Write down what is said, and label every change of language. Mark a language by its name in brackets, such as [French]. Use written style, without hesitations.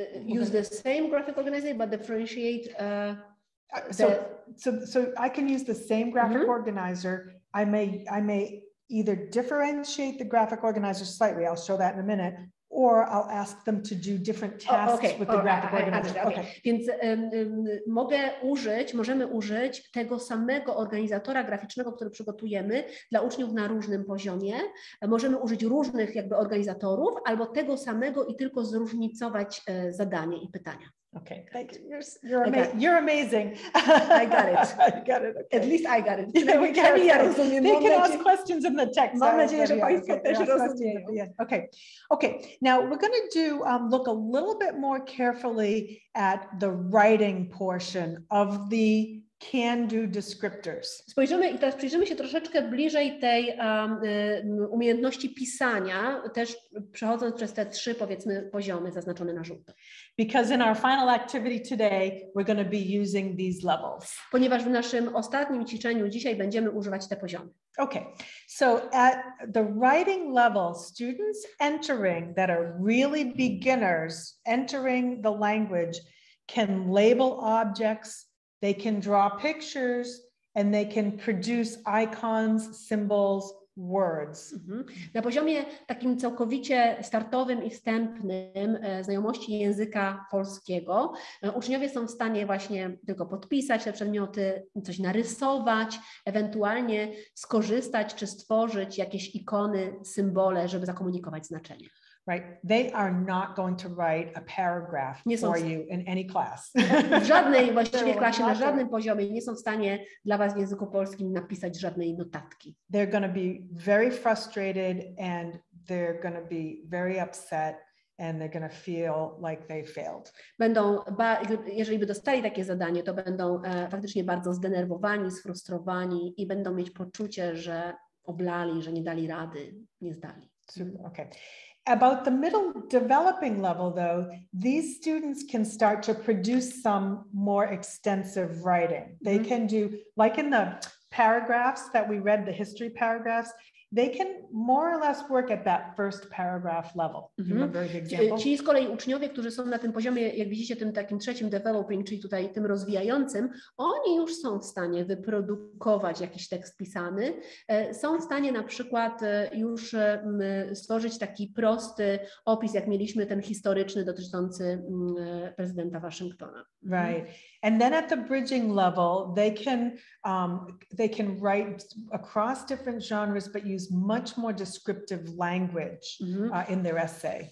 [English] Use the same graphic organizer, but differentiate So I can use the same graphic mm-hmm. organizer. I may either differentiate the graphic organizer slightly, I'll show that in a minute, or I'll ask them to do different tasks with the graphic organizer. Okay. [Polish] Więc możemy użyć tego samego organizatora graficznego, który przygotujemy dla uczniów na różnym poziomie. Możemy użyć różnych jakby organizatorów albo tego samego i tylko zróżnicować zadanie i pytania. [English] Okay. Thank you. You're amazing. You're amazing. I got it. Okay. At least I got it. Yeah, we can. Yeah, they can ask questions in the text. [Polish] Mam nadzieję, że państwo też rozumieją. [English] Okay. Okay. Now we're going to do look a little bit more carefully at the writing portion of the can-do descriptors. [Polish] Spojrzymy i teraz przyjrzymy się troszeczkę bliżej tej umiejętności pisania, też przechodząc przez te trzy, powiedzmy, poziomy zaznaczone na żółto. [English] Because in our final activity today, we're going to be using these levels. [Polish] Ponieważ w naszym ostatnim ćwiczeniu dzisiaj będziemy używać te poziomy. [English] Okay, so at the writing level, students entering that are really beginners entering the language can label objects, they can draw pictures, and they can produce icons, symbols, words. [Polish] Na poziomie takim całkowicie startowym i wstępnym znajomości języka polskiego, uczniowie są w stanie właśnie tylko podpisać te przedmioty, coś narysować, ewentualnie skorzystać czy stworzyć jakieś ikony, symbole, żeby zakomunikować znaczenie. [English] Right. They are not going to write a paragraph for you in any class. [Polish] W żadnej właściwie klasie, na żadnym poziomie nie są w stanie dla was w języku polskim napisać żadnej notatki. [English] They're going to be very frustrated and they're going to be very upset and they're going to feel like they failed. [Polish] Będą, jeżeli by dostali takie zadanie, to będą faktycznie bardzo zdenerwowani, sfrustrowani i będą mieć poczucie, że oblali, że nie dali rady, nie zdali. [English] Super. Okay. About the middle developing level though, these students can start to produce some more extensive writing. They can do, like in the paragraphs that we read, the history paragraphs, they can more or less work at that first paragraph level. [Polish] Ci z kolei uczniowie, którzy są na tym poziomie, jak widzicie, tym takim trzecim developing, czyli tutaj tym rozwijającym, oni już są w stanie wyprodukować jakiś tekst pisany. Są w stanie na przykład już stworzyć taki prosty opis, jak mieliśmy ten historyczny dotyczący prezydenta Waszyngtona. [English] Right. And then at the bridging level, they can write across different genres, but use much more descriptive language in their essay.